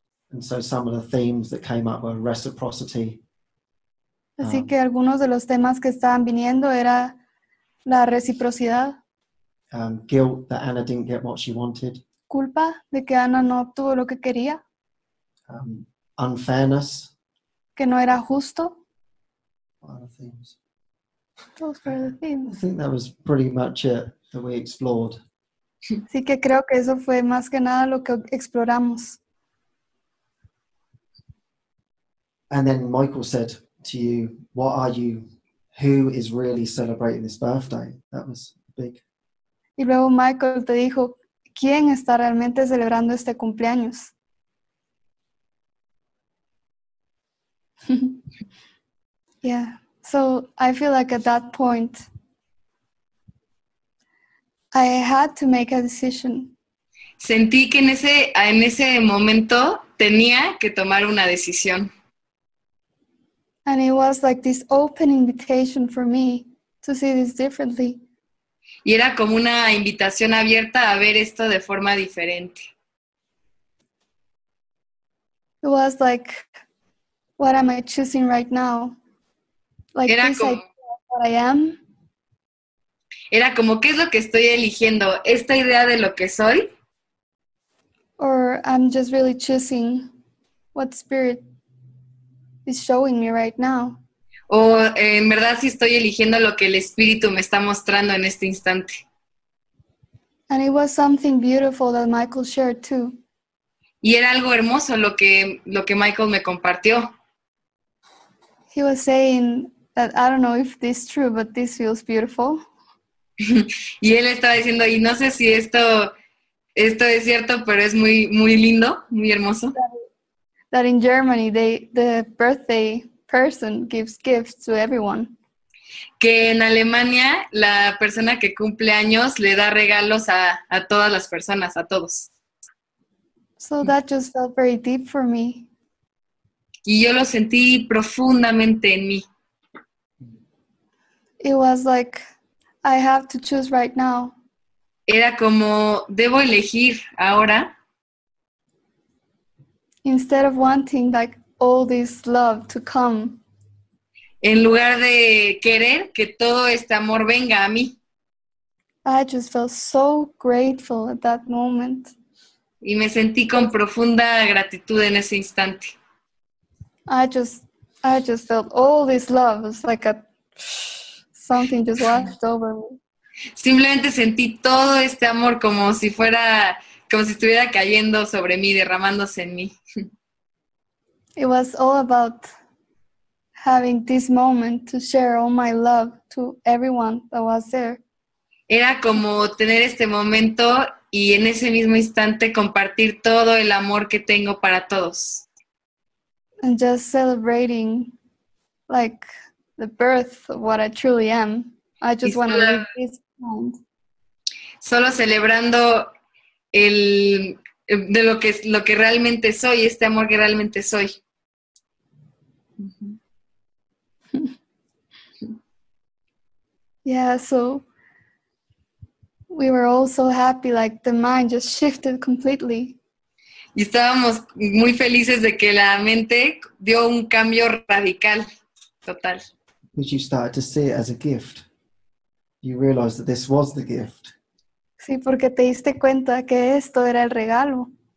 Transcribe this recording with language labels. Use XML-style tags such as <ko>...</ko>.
<en>And so some of the themes that came up were reciprocity.</en> <es>Así que algunos de los temas que estaban viniendo era la reciprocidad.</es> <en>Guilt that Anna didn't get what she wanted.</en> <es>Culpa de que Anna no obtuvo lo que quería.</es> <en>Unfairness.</en> <es>Que no era justo.</es> <en>What other themes? Those were the themes. I think that was pretty much it that we explored.</en> <es>Así que creo que eso fue más que nada lo que exploramos.</es> <en>And then Michael said to you, what are you, who is really celebrating this birthday? That was big.</en> <es>Y luego Michael te dijo, ¿quién está realmente celebrando este cumpleaños?</es> <en>Yeah, so I feel like at that point, I had to make a decision.</en> <es>Sentí que en ese momento tenía que tomar una decisión.</es> <en>And it was like this open invitation for me to see this differently.</en> <es>Y era como una invitación abierta a ver esto de forma diferente.</es> <en>It was like, what am I choosing right now? Like</en> <es>era</es> <en>this</en> <es>como,</es> <en>idea of what I am?</en> <es>Era como, ¿qué es lo que estoy eligiendo? ¿Esta idea de lo que soy?</es> <en>Or I'm just really choosing what spirit is showing me right now.</en> <es>O en verdad sí estoy eligiendo lo que el espíritu me está mostrando en este instante.</es> <en>And it was something beautiful that Michael shared too.</en> <es>Y era algo hermoso lo que Michael me compartió.</es> <en>He was saying that I don't know if this is true, but this feels beautiful.</en> <es>Y él estaba diciendo, y no sé si esto es cierto, pero es muy muy lindo, muy hermoso.</es> <en>That in Germany, the birthday person gives gifts to everyone.</en> <es>Que en Alemania, la persona que cumple años le da regalos a todas las personas, a todos.</es> <en>So that just felt very deep for me.</en> <es>Y yo lo sentí profundamente en mí.</es> <en>It was like, I have to choose right now.</en> <es>Era como, debo elegir ahora.</es> <en>Instead of wanting like all this love to come.</en> <es>En lugar de querer que todo este amor venga a mí.</es> <en>I just felt so grateful at that moment.</en> <es>Y me sentí con profunda gratitud en ese instante.</es> <en>I just felt all this love. It was like something just washed over me.</en> <es>Simplemente sentí todo este amor como si estuviera cayendo sobre mí, derramándose en mí.</es> <en>It was all about having this moment to share all my love to everyone that was there.</en> <es>Era como tener este momento y en ese mismo instante compartir todo el amor que tengo para todos.</es> <en>And just celebrating like the birth of what I truly am. I just want to leave this moment.</en> <es>Solo celebrando lo que realmente soy, este amor que realmente soy.</es> <en>Yeah, so We were all so happy, like the mind just shifted completely.</en> <es>Y estábamos muy felices de que la mente dio un cambio radical, total.</es> <en>Because you started to see it as a gift. You realized that this was the gift.</en> <es>Sí, porque te diste cuenta que esto era el regalo.</es>